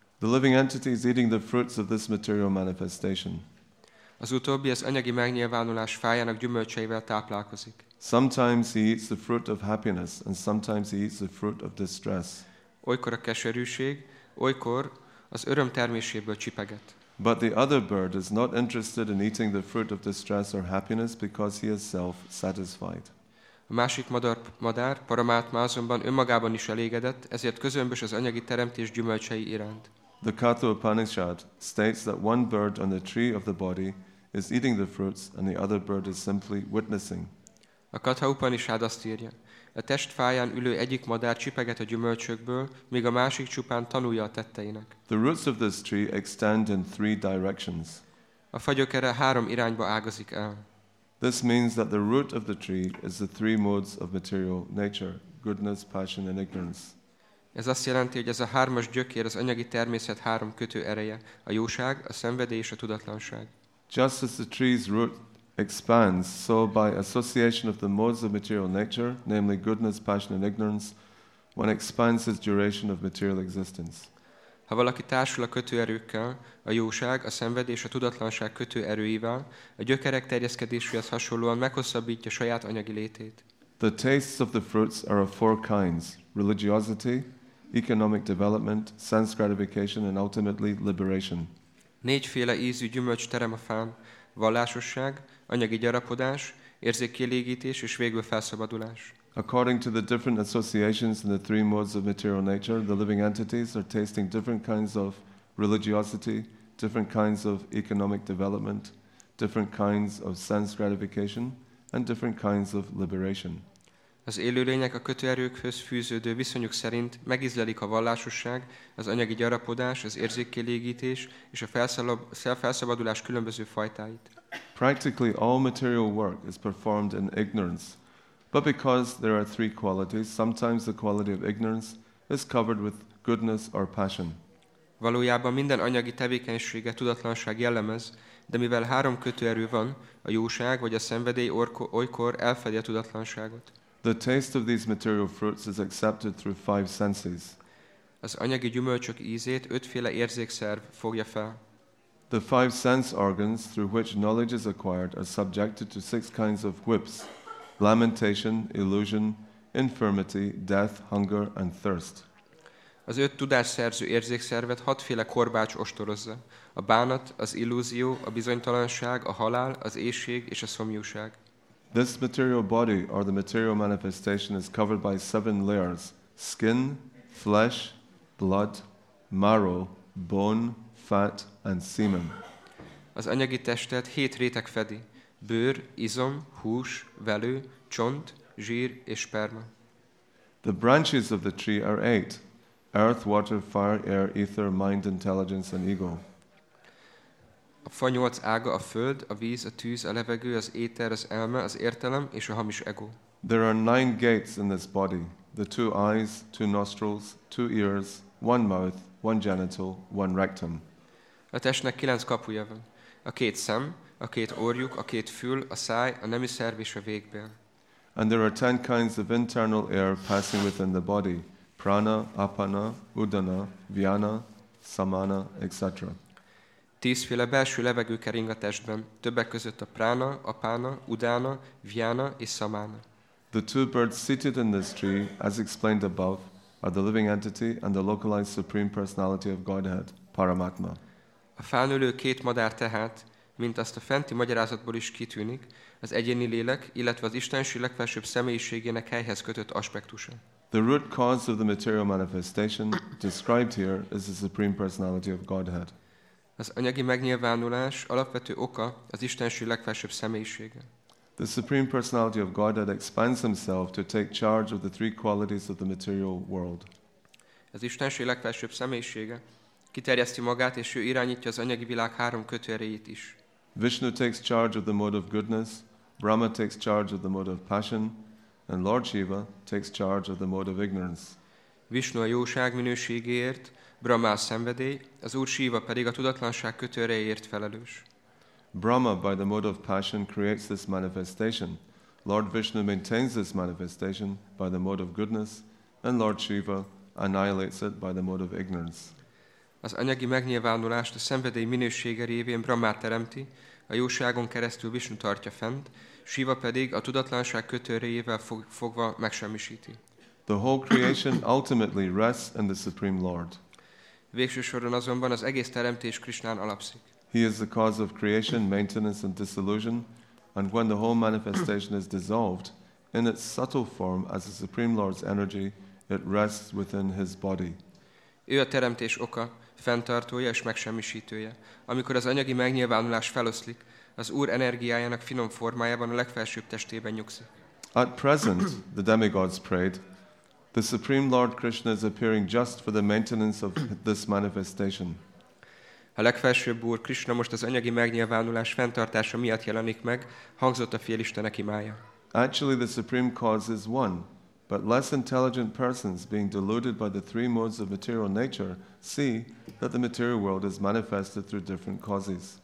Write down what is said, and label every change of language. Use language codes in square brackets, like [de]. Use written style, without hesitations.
[en] The living entity is eating the fruits of this material manifestation. [hu] Az utóbbi az anyagi megnyilvánulás fájának gyümölcseivel táplálkozik. [en] Sometimes he eats the fruit of happiness, and sometimes he eats the fruit of distress. [hu] Olykor a keserűség, olykor az öröm terméséből csipeget. [en] But the other bird is not interested in eating the fruit of distress or happiness because he is self-satisfied. [hu] A másik madár Paramatma azonban önmagában is elégedett, ezért közömbös az anyagi teremtés gyümölcsei iránt. [en] The Katha Upanishad states that one bird on the tree of the body is eating the fruits and the other bird is simply witnessing. [hu] A Katha Upanishad azt írja, a testfáján ülő egyik madár csipeget a gyümölcsökből, míg a másik csupán tanulja a tetteinek. [en] The roots of this tree extend in three directions. [hu] A fa gyökere három irányba ágazik el. [en] This means that the root of the tree is the three modes of material nature: goodness, passion, and ignorance. [hu] Ez azt jelenti, hogy ez a hármas gyökér az anyagi természet három kötő ereje: a jóság, a szenvedély és a tudatlanság. [en] Just as the tree's root expands, so by association of the modes of material nature, namely goodness, passion, and ignorance, one expands its duration of material existence. [hu] Ha valaki társul a kötőerőkkel, a jóság, a szenvedély és a tudatlanság kötőerőivel, a gyökerek terjeszkedéséhez hasonlóan meghosszabbítja saját anyagi létét. [en] The tastes of the fruits are of four kinds: religiosity, economic development, sense gratification, and ultimately liberation. [hu] Négyféle ízű gyümölcs terem a fán: vallásosság, anyagi gyarapodás, érzékkielégítés és végül felszabadulás. [en] According to the different associations in the three modes of material nature, the living entities are tasting different kinds of religiosity, different kinds of economic development, different kinds of sense gratification, and different kinds of liberation. [hu] Az élőlények a kötőerőkhöz fűződő viszonyuk szerint megízlelik a vallásosság, az anyagi gyarapodás, az érzékkielégítés és a felszabadulás különböző fajtáit. [en] Practically all material work is performed in ignorance. But because there are three qualities, sometimes the quality of ignorance is covered with goodness or passion. [hu] Valójában minden anyagi tevékenysége tudatlanság jellemez, de mivel három kötőerő van, a jóság vagy a szenvedély olykor elfedi a tudatlanságot. [en] The taste of these material fruits is accepted through five senses. [hu] Az anyagi gyümölcsök ízét ötféle érzékszerv fogja fel. [en] The five sense organs through which knowledge is acquired are subjected to six kinds of whips, lamentation, illusion, infirmity, death, hunger and thirst. [hu] Az öt tudásszerző érzékszervet hatféle korbács ostorozza: a bánat, az illúzió, a bizonytalanság, a halál, az éhség és a szomjúság. [en] This material body or the material manifestation is covered by seven layers: skin, flesh, blood, marrow, bone, fat and semen. [hu] Az anyagi testet hét réteg fedi: bőr, izom, hús, velő, csont, zsír és sperma. [en] The branches of the tree are eight: earth, water, fire, air, ether, mind, intelligence and ego. [hu] A fa nyolc ága a föld, a víz, a tűz, a levegő, az éter, az elme, az értelem és a hamis ego. [en] There are nine gates in this body: the two eyes, two nostrils, two ears, one mouth, one genital, one rectum. [hu] A testnek kilenc kapuja van: a két szem, a két orjuk, a két fül, a száj, a nemi szerv és a végbél. [en] And there are ten kinds of internal air passing within the body: prana, apana, udana, vyana, samana, etc. [hu] Tízféle belső levegő kering a testben, többek között a prana, apana, udana, vyana és samana. [en] The two birds seated in this tree, as explained above, are the living entity and the localized supreme personality of Godhead, Paramatma. [hu] A fánülő két madár tehát, mint azt a fenti magyarázatból is kitűnik, az egyéni lélek, illetve az istenség legfelsőbb személyiségének helyhez kötött aspektusa. [en] The root cause of the material manifestation described here is the supreme personality of Godhead. [hu] Az anyagi megnyilvánulás alapvető oka az istenség legfelsőbb személyisége. [en] The supreme personality of Godhead expands himself to take charge of the three qualities of the material world. [hu] Az istenség legfelsőbb személyisége kiterjeszti magát, és ő irányítja az anyagi világ három kötőerejét is. [en] Vishnu takes charge of the mode of goodness, Brahma takes charge of the mode of passion, and Lord Shiva takes charge of the mode of ignorance. [hu] Vishnu a jóság minőségéért, Brahma a szenvedély, az Úr Shiva pedig a tudatlanság kötőerejéért felelős. [en] Brahma, by the mode of passion, creates this manifestation. Lord Vishnu maintains this manifestation by the mode of goodness, and Lord Shiva annihilates it by the mode of ignorance. [hu] Az anyagi megnyilvánulást a szenvedély minősége révén Brahma teremti, a jóságon keresztül Vishnu tartja fent, Shiva pedig a tudatlanság kötőerejével fogva megsemmisíti. [en] The whole creation ultimately rests in the Supreme Lord. [hu] Végső soron azonban az egész teremtés Krishnán alapszik. [en] He is the cause of creation, maintenance and dissolution, and when the whole manifestation is dissolved, in its subtle form as the Supreme Lord's energy, it rests within his body. [hu] Ő a teremtés oka, fenntartója és megsemmisítője. Amikor az anyagi megnyilvánulás feloszlik, az Úr energiájának finom formájában a legfelsőbb testében nyugszik. [en] At present, the demigods prayed, the Supreme Lord Krishna is appearing just for the maintenance of this manifestation. [hu] A legfelsőbb Úr Krishna most az anyagi megnyilvánulás fenntartása miatt jelenik meg, hangzott a félistenek imája. [en] Actually, the supreme cause is one. But less intelligent persons, being deluded by the three modes of material nature, see that the material world is manifested through different causes.